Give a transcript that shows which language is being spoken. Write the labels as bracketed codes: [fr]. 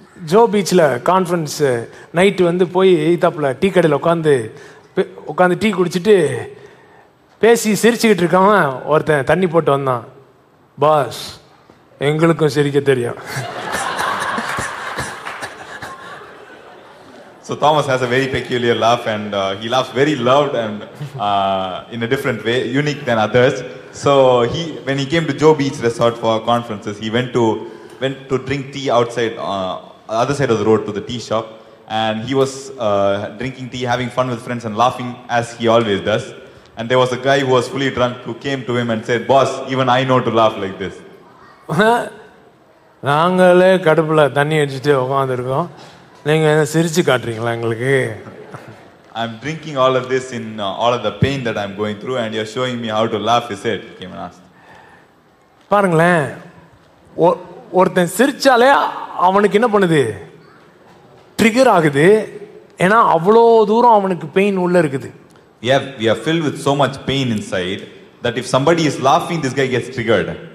[ta] Joe பீச்சில் conference night வந்து போய் தப்பில் டீ கடையில் உட்காந்து டீ குடிச்சிட்டு பேசி சிரிச்சுக்கிட்டு இருக்கான். ஒருத்தன் தண்ணி போட்டு வந்தான், பாஸ் எங்களுக்கும் சிரிக்க தெரியும். [en] So Thomas has a very peculiar laugh and he laughs very loud and in a different way, unique than others. So he, when he came to Joe Beach Resort for conferences, he went to drink tea outside, other side of the road to the tea shop. And he was drinking tea, having fun with friends and laughing as he always does. And there was a guy who was fully drunk who came to him and said, boss, even I know to laugh like this. [ta] நாங்களே கடுப்புல தண்ணி வச்சுட்டு உட்காந்துருக்கோம், நீங்க சிரிச்சு காட்டுறீங்களா எங்களுக்கு? [en] I'm drinking all of this in all of the pain that I'm going through and you're showing me how to laugh, he said, came and asked. [ta] பாருங்களேன், ஒருத்தன் சிரிச்சாலே அவனுக்கு என்ன பண்ணுது, ட்ரிகர் ஆகுது. ஏன்னா அவ்வளோ தூரம் அவனுக்கு பெயின் உள்ள இருக்குது. [en] Yeah, we are filled with so much pain inside that if somebody is laughing, this guy gets triggered.